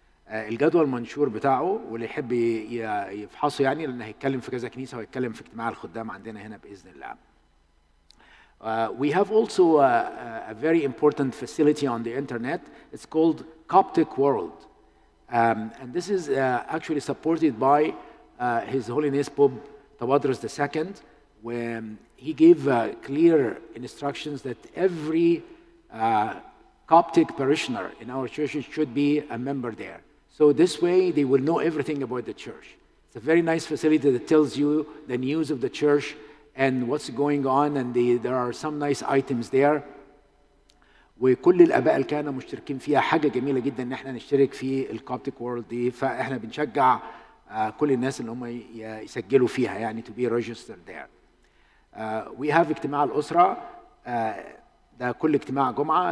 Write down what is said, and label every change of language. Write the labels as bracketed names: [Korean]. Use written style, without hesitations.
[Arabic] الجدول المنشور بتاعه واللي يحب يفحصه يعني لأنه هيتكلم في كذا كنيسة ويتكلم في اجتماع الخدام عندنا هنا بإذن الله. [English] We have also a very important facility on the internet. It's called Coptic World. And this is actually supported by His Holiness Pope Tawadros II when he gave clear instructions that every Coptic parishioner in our churches should be a member there. So this way, they will know everything about the church. It's a very nice facility that tells you the news of the church and what's going on, and there are some nice items there. [Arabic] وكل الأباء اللي كانوا مشتركين فيها حاجة جميلة جدا إن إحنا نشترك في الكوبتيك وورلد دي. فإحنا بنشجع كل الناس اللي هم يسجلوا فيها يعني [English] to be registered there. We have [Arabic] اجتماع الأسرة. ده كل اجتماع جمعة.